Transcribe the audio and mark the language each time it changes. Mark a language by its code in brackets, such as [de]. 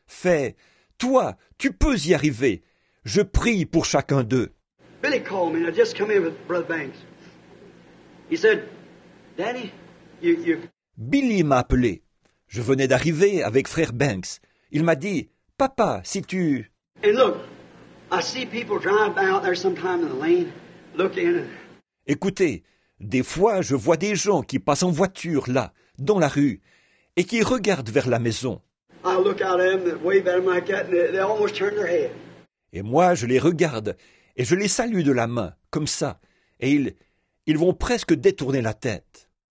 [fr] Fais, toi, tu peux y arriver. Je prie pour chacun d'eux. [en] Billy called me, and I just come in with Brother Banks. He said, Daddy, you... [fr] Billy m'a appelé. Je venais d'arriver avec Frère Banks. Il m'a dit, Papa, si tu... [en] And look, I see people drive by out there sometime in the lane, look in. [fr] Écoutez, des fois je vois des gens qui passent en voiture là, dans la rue, et qui regardent vers la maison. [en] I look out at them, wave at them like that, and they almost turn their head. [fr] Et moi, je les regarde... Et je les salue de la main, comme ça. Et ils vont presque détourner la tête.